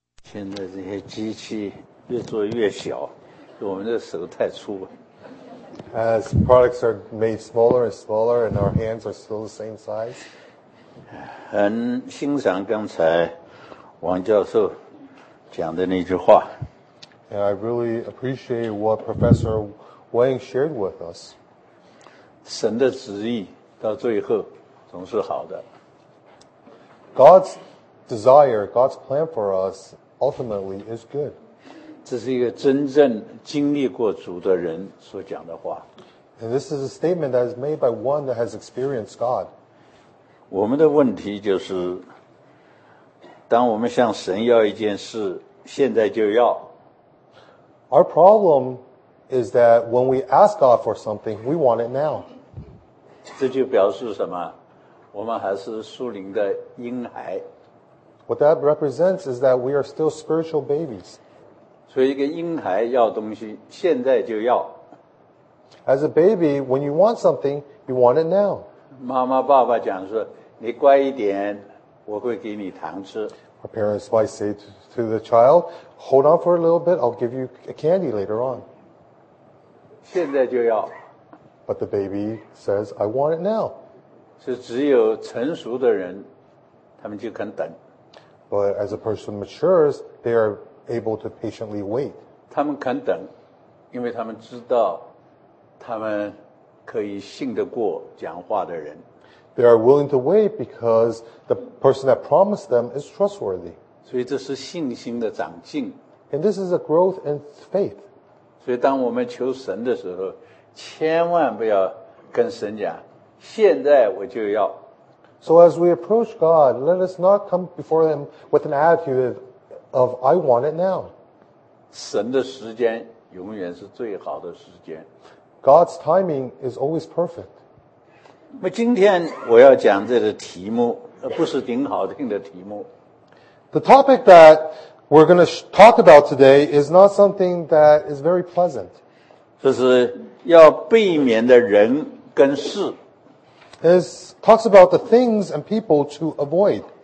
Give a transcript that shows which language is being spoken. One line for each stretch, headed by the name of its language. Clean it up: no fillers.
Chinese: 现在这些机器越做越小，我们的手太粗了。
English: As products are made smaller and smaller, and our hands are still the same size.
Chinese: 很欣赏刚才王教授讲的那句话。
English: And I really appreciate what Professor Wang shared with us.
Chinese: 神的旨意到最后总是好的。
English: God's desire, God's plan for us ultimately is good.
Chinese: 这是一个真正经历过主的人所讲的话。
English: And this is a statement that is made by one that has experienced God.
Chinese: 我们的问题就是，当我们向神要一件事，现在就要。
English: Our problem is that when we ask God for something, we want it now.
Chinese: 这就表示什么？我们还是属灵的婴孩。
English: What that represents is that we are still spiritual babies.
Chinese: 所以一个婴孩要东西，现在就要。
English: As a baby, when you want something, you want it now.
Chinese: 妈妈爸爸讲说，你乖一点，我会给你糖吃。
English: Our parents might say to the child, hold on for a little bit, I'll give you a candy later on.
Chinese: 现在就要。
English: But the baby says, I want it now.
Chinese: 是只有成熟的人，他们就肯等。
English: But as a person matures, they are able to patiently wait.
Chinese: 他们肯等，因为他们知道他们可以信得过讲话的人。
English: They are willing to wait because the person that promised them is trustworthy.
Chinese: 所以这是信心的长进。
English: And this is a growth in faith.
Chinese: 所以当我们求神的时候，千万不要跟神讲，现在我就要。
English: So as we approach God, let us not come before Him with an attitude of, I want it now.
Chinese: 神的时间永远是最好的时间。
English: God's timing is always perfect.
Chinese: 那么今天我要讲这个题目，不是挺好听的题目。
English: The topic that we're going to talk about today is not something that is very pleasant.
Chinese: 这是要避免的人跟事。
English: This talks about the things and people to avoid.